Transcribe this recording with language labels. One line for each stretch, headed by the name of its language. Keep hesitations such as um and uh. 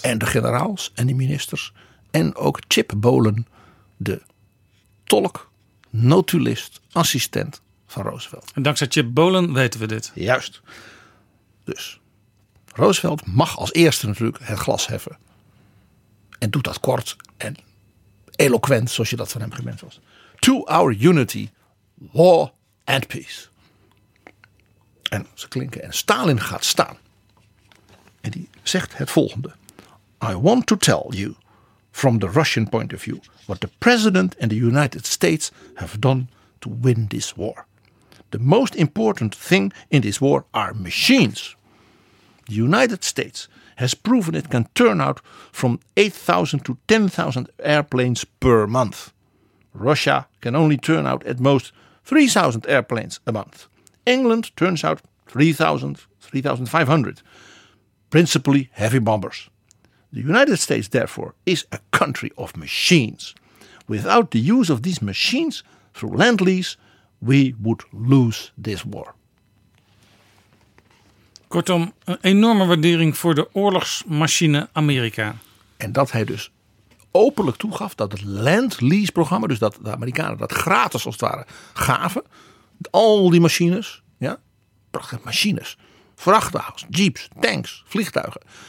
Dutch: En de generaals en de ministers. En ook Chip Bolen, de tolk, notulist, assistent van Roosevelt. En dankzij Chip Bolen weten we dit. Juist. Dus Roosevelt mag als eerste natuurlijk het glas heffen. En doet dat kort en eloquent, zoals je dat van hem gewend was.
English: to our unity, war and peace.
Dutch: En ze klinken en Stalin gaat staan. En die zegt het volgende.
English: I want to tell you from the Russian point of view what the president and the United States have done to win this war. The most important thing in this war are machines. The United States has proven it can turn out from 8,000 to 10,000 airplanes per month. Russia can only turn out at most 3,000 airplanes a month. England turns out 3,000, 3,500, principally heavy bombers. The United States, therefore, is a country of machines. Without the use of these machines through land lease, we would lose this war.
Dutch: Kortom, een enorme waardering voor de oorlogsmachine Amerika. En dat hij dus openlijk toegaf dat het land lease programma, dus dat de Amerikanen dat gratis als het ware gaven. Al die machines, ja, prachtige machines, vrachtwagens, jeeps, tanks, vliegtuigen.